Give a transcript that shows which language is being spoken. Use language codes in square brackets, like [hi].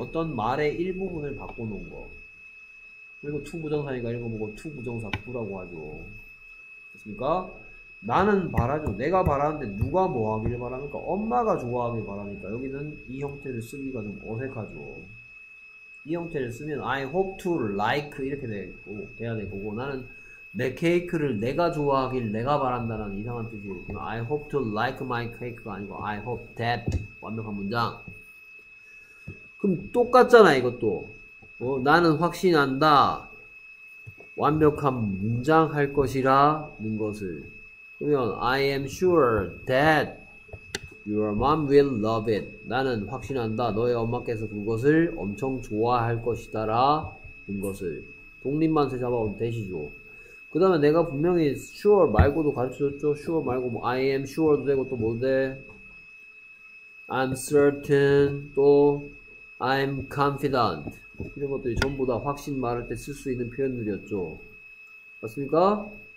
[ko] 어떤 말의 일부분을 바꿔놓은 거. 그리고 to 부정사니까 이런 거 보고 to 부정사 구라고 하죠. 됐습니까? 나는 바라죠. 내가 바라는데 누가 뭐 하길 바랍니까? 엄마가 좋아하길 바라니까. 여기는 이 형태를 쓰기가 좀 어색하죠. 이 형태를 쓰면 [en] I hope to like [ko] 이렇게 돼야 되고 나는 내 케이크를 내가 좋아하길 내가 바란다는 이상한 뜻이에요. [en] I hope to like my cake가 [ko] 아니고 [en] I hope that. [ko] 완벽한 문장. 그럼 똑같잖아, 이것도. 나는 확신한다. 완벽한 문장 할 것이라는 것을. [en] 그러면 I am sure that your mom will love it. [ko] 나는 확신한다. 너의 엄마께서 그것을 엄청 좋아할 것이다라는 것을. 독립만세 잡아온 대시죠. 그 다음에 내가 분명히 sure 말고도 가르쳐줬죠. sure 말고 뭐 [en] I am sure [ko] 도 되고 또 뭔데? [en] I'm certain [ko] 또 [en] I'm confident [ko] 이런 것들이 전부 다 확신 말할 때쓸수 있는 표현들이었죠. 맞습니까?